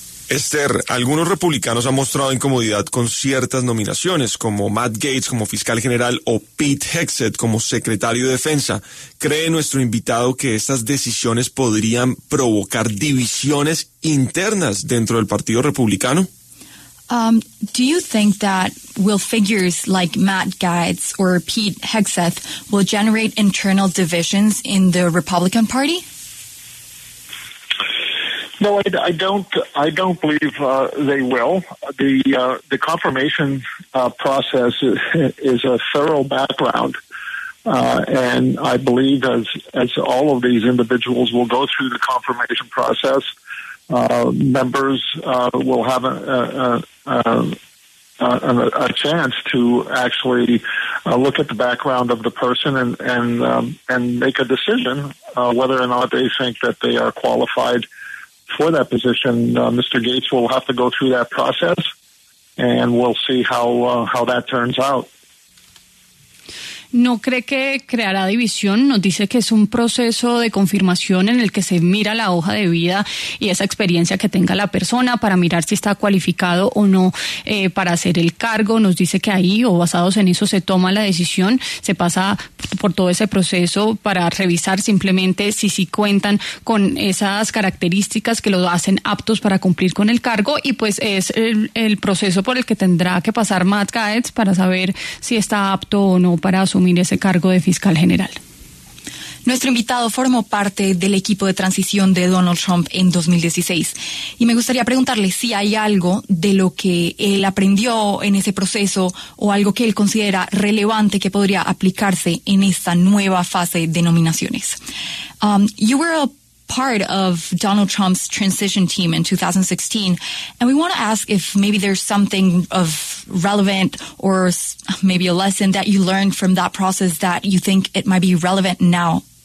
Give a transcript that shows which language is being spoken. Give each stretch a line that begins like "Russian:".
Spanish: Esther, algunos republicanos han mostrado incomodidad con ciertas nominaciones, como Matt Gaetz como fiscal general o Pete Hegseth como secretario de defensa. ¿Cree nuestro invitado que estas decisiones podrían provocar divisiones internas dentro del partido republicano?
English: Do you think that will figures like Matt Gaetz or Pete Hegseth will generate internal divisions in the Republican Party? No, I don't believe they will. The confirmation process is a thorough background, and I believe as all of these individuals will go through the confirmation process, members will have a chance to actually look at the background of the person and make a decision whether or not they think that they are qualified for that position. Mr. Gaetz will have to go through that process, and we'll see how that turns out.
Spanish: No cree que creará división, nos dice que es un proceso de confirmación en el que se mira la hoja de vida y esa experiencia que tenga la persona para mirar si está cualificado o no para hacer el cargo. Nos dice que ahí, o basados en eso, se toma la decisión, se pasa por todo ese proceso para revisar simplemente si cuentan con esas características que lo hacen aptos para cumplir con el cargo, y pues es el proceso por el que tendrá que pasar Matt Gaetz para saber si está apto o no para asumir ese cargo de fiscal general. Nuestro invitado formó parte del equipo de transición de Donald Trump en 2016 y me gustaría preguntarle si hay algo de lo que él aprendió en ese proceso o algo que él considera relevante que podría aplicarse en esta nueva fase de nominaciones.
English: You were a part of Donald Trump's transition team in 2016, and we want to ask if maybe there's something of relevant or maybe a lesson that you learned from that process that you think it might be relevant now.